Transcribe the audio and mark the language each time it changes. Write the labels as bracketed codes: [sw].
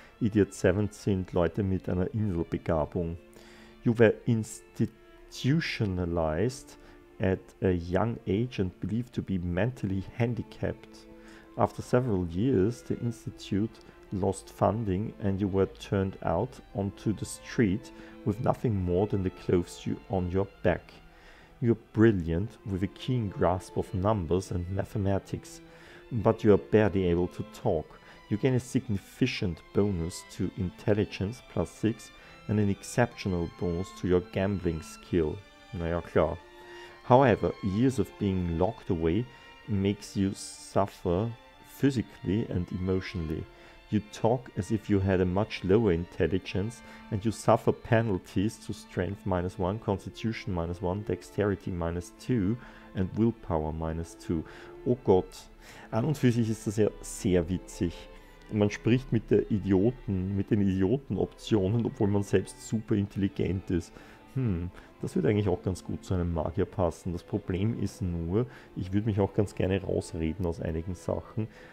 [de] Idiot 7 sind Leute mit einer Inselbegabung. [en] You were institutionalized at a young age and believed to be mentally handicapped. After several years, the institute lost funding and you were turned out onto the street with nothing more than the clothes you on your back. You're brilliant, with a keen grasp of numbers and mathematics, but you are barely able to talk. You gain a significant bonus to intelligence, plus 6, and an exceptional bonus to your gambling skill. [de] Naja, klar. [en] However, years of being locked away makes you suffer physically and emotionally. You talk as if you had a much lower intelligence and you suffer penalties to strength minus 1, constitution minus 1, dexterity minus 2 and willpower minus 2. [de] Oh Gott. An und für sich ist das ja sehr witzig. Man spricht mit der Idioten, mit den Idioten-Optionen, obwohl man selbst super intelligent ist. Das würde eigentlich auch ganz gut zu einem Magier passen. Das Problem ist nur, ich würde mich auch ganz gerne rausreden aus einigen Sachen.